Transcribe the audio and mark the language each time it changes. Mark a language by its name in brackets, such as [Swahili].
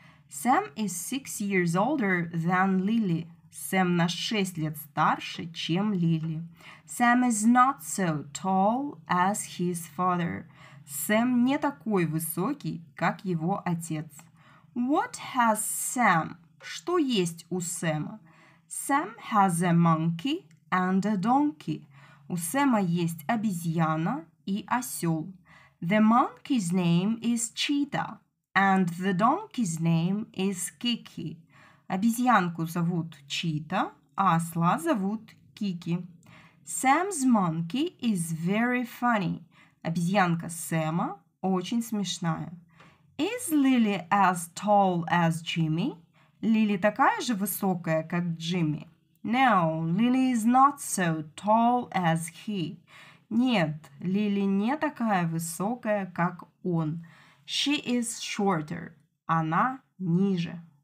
[English] Sam is 6 years older than Lily. [Russian] Сэм на 6 лет старше, чем Лили. [English] Sam is not so tall as his father. [Russian] Сэм не такой высокий, как его отец. [English] What has Sam? [Russian] Что есть у Сэма? [English] Sam has a monkey and a donkey. [Russian] У Сэма есть обезьяна и осёл. [English] The monkey's name is Cheetah, and the donkey's name is Kiki. [Russian] Обезьянку зовут Чита, а осла зовут Кики. [English] Sam's monkey is very funny. [Russian] Обезьянка Сэма очень смешная. [English] Is Lily as tall as Jimmy? [Russian] Лили такая же высокая, как Джимми. [English] No, Lily is not so tall as he. [Russian] Нет, Лили не такая высокая, как он. [English] She is shorter. [Russian] Она ниже.